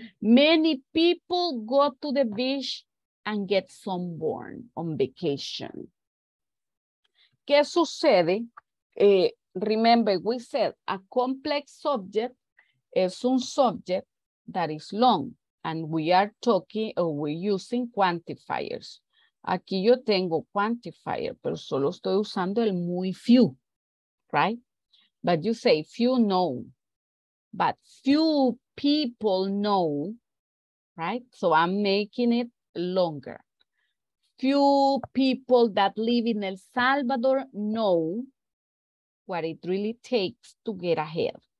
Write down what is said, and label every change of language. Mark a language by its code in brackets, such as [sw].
[en] Many people go to the beach and get sunburned on vacation. [es] ¿Qué sucede? [en] Remember, we said a complex subject is un subject that is long, and we are talking or we're using quantifiers. [es] Aquí yo tengo quantifier, pero solo estoy usando el muy few, [en] right? But you say few know, but few people know, right? So I'm making it longer. Few people that live in El Salvador know what it really takes to get ahead.